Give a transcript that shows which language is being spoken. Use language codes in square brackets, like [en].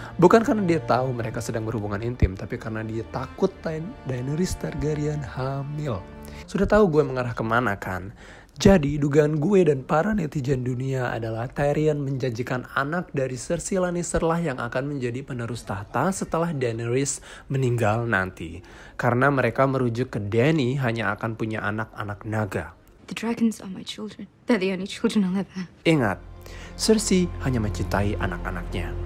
[id] Bukan karena dia tahu mereka sedang berhubungan intim, tapi karena dia takut Daenerys Targaryen hamil. Sudah tahu gue mengarah kemana kan? Jadi dugaan gue dan para netizen dunia adalah Tyrion menjanjikan anak dari Cersei Lannister lah yang akan menjadi penerus tahta setelah Daenerys meninggal nanti. Karena mereka merujuk ke Dany hanya akan punya anak-anak naga. [en] The dragons are my children. They're the only children I'll ever have. [id] Ingat, Cersei hanya mencintai anak-anaknya.